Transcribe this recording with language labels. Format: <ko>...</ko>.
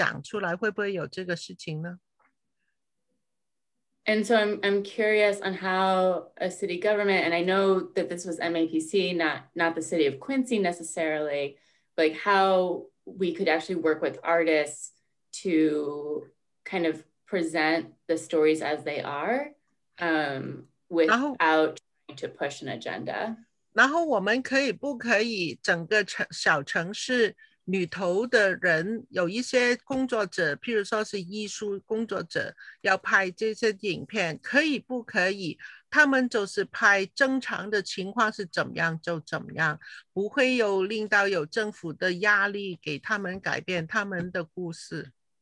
<zh>譬如说这个政府的部分的机构，政府的部门，他们会不会用强势的来控制我们的言论？就是要他们想我们听到的，他才让我们讲出来，会不会有这个事情呢？</zh> <en>And so I'm curious on how a city government, and I know that this was MAPC, not the city of Quincy necessarily, like how we could actually work with artists to kind of present the stories as they are without trying to push an agenda.</en> <zh>然后我们可以不可以整个小城市 女头的人，有一些工作者，譬如说是艺术工作者，要拍这些影片，可以不可以？他们就是拍正常的情况是怎么样就怎么样，不会有领导有政府的压力给他们改变他们的故事。</zh>